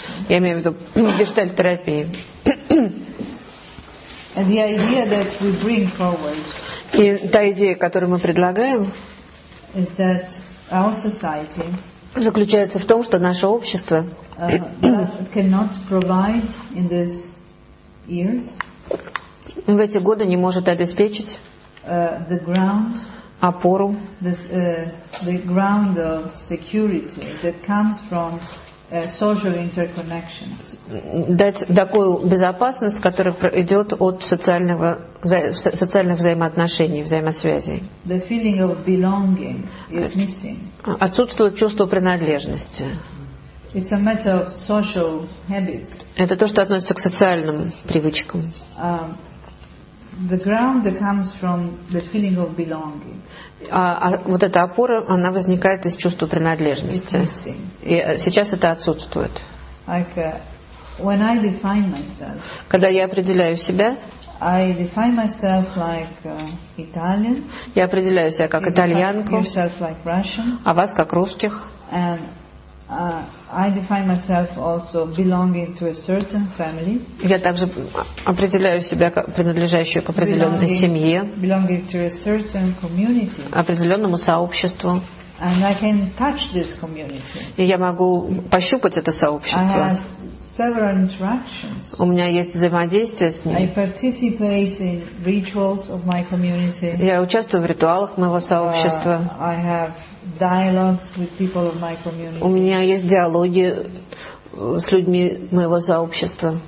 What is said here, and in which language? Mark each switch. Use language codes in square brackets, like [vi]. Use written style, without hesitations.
[ru] Я имею в виду гештальт-терапии. [en] And the idea that we bring forward. [ru] И та идея, которую мы предлагаем, [en] is that our society [ru] заключается в том, что наше общество [en] cannot provide in these years [ru] в эти годы не может обеспечить [en] the ground. [ru] Опору. [en] The ground of security that comes from social interconnections. [ru] Дать такую безопасность, которая идет от социальных взаимоотношений, взаимосвязей. [en] The feeling of belonging is missing. [ru] Отсутствует чувство принадлежности. [en] It's a matter of social habits. [ru] Это то, что относится к социальным привычкам. [en] The ground that comes from the feeling of belonging. [ru] А вот эта опора, она возникает из чувства принадлежности. И сейчас это отсутствует. [en] Like, when I define myself, [ru] когда я определяю себя, [en] I define myself like, Italian, [ru] я определяю себя как итальянку, [en] yourself like Russian, [ru] а вас как русских. [en] And, I define myself also belonging to a certain family. [ru] Я также определяю себя как принадлежащую к определенной семье. [en] Belonging to a certain community. [ru] Определенному сообществу. [en] And I can touch this community. [ru] И я могу пощупать это сообщество. [en] I have several interactions. [ru] У меня есть взаимодействие с ним. [en] I participate in rituals of my community. [ru] Я участвую в ритуалах моего сообщества. [en] I have dialogues with people of my community. [ru] У меня есть диалоги с людьми моего сообщества.